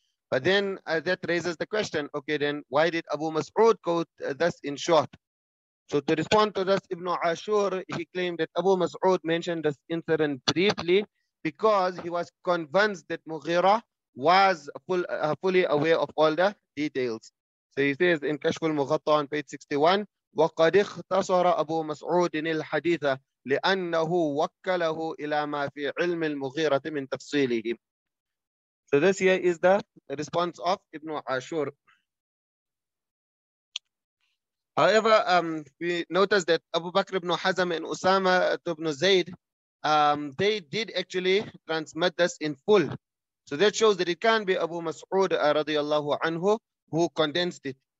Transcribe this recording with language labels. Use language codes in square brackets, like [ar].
[en] But then that raises the question, okay, then why did Abu Mas'ud quote this in short? So to respond to this, Ibn Ashur, he claimed that Abu Mas'ud mentioned this incident briefly because he was convinced that Mughira was fully aware of all the details. So he says in Kashf al-Mughatta on page 61, [ar] وَقَدْ اخْتَصَرَ أَبُو مَسْعُودٍ الْحَدِيثَ لِأَنَّهُ وَكَّلَهُ إِلَى مَا فِي عِلْمِ الْمُغِيرَةِ مِنْ تَفْصِيلِهِ. [en] So this here is the response of Ibn Ashur. However, we notice that Abu Bakr ibn Hazm and Usama ibn Zayd, they did actually transmit this in full. So that shows that it can't be Abu Mas'ud radiallahu anhu who condensed it.